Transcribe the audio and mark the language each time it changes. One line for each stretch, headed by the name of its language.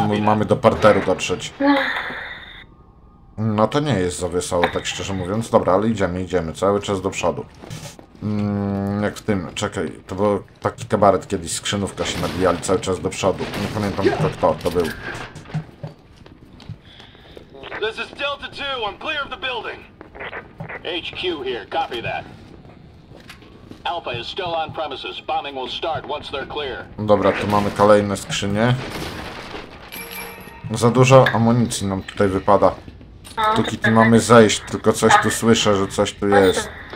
Polish: Mamy do parteru dotrzeć. No to nie jest za wesoło, tak szczerze mówiąc. Dobra, ale idziemy, idziemy. Cały czas do przodu. Jak w tym, czekaj. To był taki kabaret kiedyś. Skrzynówka się nabijali cały czas do przodu. Nie pamiętam tylko kto to był.
English: This is Delta 2, I'm clear of the building. HQ here, copy that. Alpha is still on premises, bombing will start once they're clear.
Polish: Dobra, tu mamy kolejne skrzynie. Za dużo amunicji nam tutaj wypada. Tu kiedy mamy zejść, tylko coś tu słyszę, że coś tu jest.